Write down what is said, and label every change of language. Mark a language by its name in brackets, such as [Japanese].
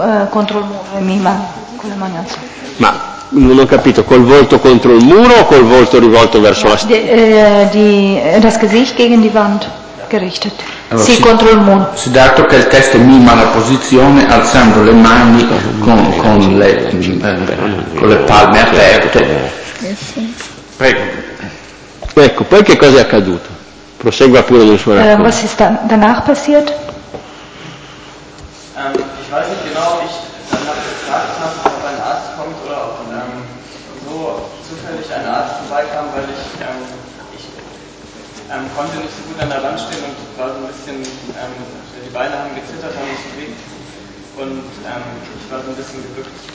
[Italian] Contro il muro, con le mani alzate. Ma non ho capito, col volto contro il muro o col volto rivolto verso la stanza? [German] Das Gesicht gegen die Wand gerichtet. [Italian] Allora, sì, contro il muro. Sì, dato che il testo mima la posizione alzando le mani con le palme aperte. Prego. Ecco, poi che cosa è accaduto? Prosegua pure nel suo racconto. [German] Was ist danach passiert? Ich weiß nicht genau, ob ich dann nach der Frage kam, ob ein Arzt kommt oder ob so zufällig ein Arzt vorbeikam, weil ich konnte nicht so gut an der Wand stehen und war so ein bisschen, die Beine haben gezittert, haben mich bewegt und ich war so ein bisschen gebückt.